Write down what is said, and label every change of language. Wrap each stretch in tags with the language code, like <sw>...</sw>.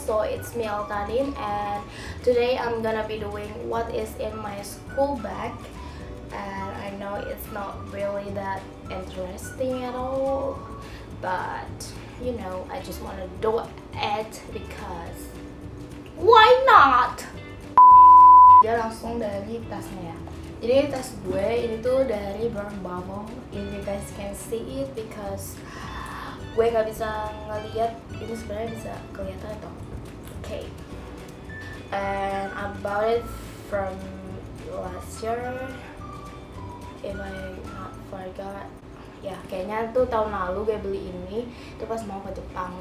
<en>So it's me Eltanin, and today I'm gonna be doing what is in my school bag. And I know it's not really that interesting at all, but you know, I just wanna do it because why not?</en> <id>Dia langsung dari tasnya ya. Jadi tas gue ini tuh dari brand Bubble.</id> <en>If you guys can see it because</en> <id>gue gak bisa ngeliat, ini sebenarnya bisa kelihatan atau?</id> <en>Okay. And I bought it from last year, if I not forgot.</en> <id>Ya, kayaknya tuh tahun lalu gue beli ini, itu pas mau ke Jepang.</id>